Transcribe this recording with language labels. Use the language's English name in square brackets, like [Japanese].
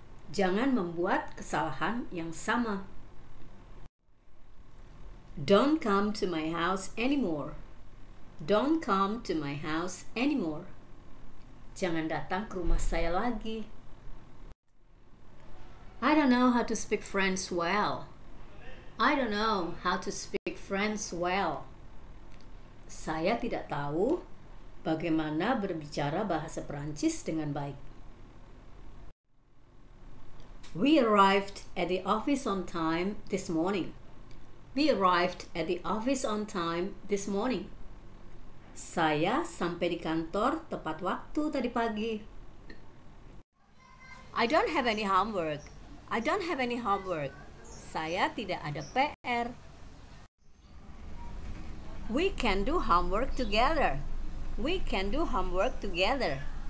[Indonesian] Jangan membuat kesalahan yang sama. [English] Don't come to my house anymore. Don't come to my house anymore. [Indonesian] Jangan datang ke rumah saya lagi. [English] I don't know how to speak French well. I don't know how to speak French well. [Indonesian] Saya tidak tahu bagaimana berbicara bahasa Perancis dengan baik. [English] We arrived at the office on time this morning. We arrived at the office on time this morning. [Indonesian] Saya sampai di kantor tepat waktu tadi pagi. [English] I don't have any homework. I don't have any homework. [Indonesian] Saya tidak ada PR. [English] We can do homework together. We can do homework together.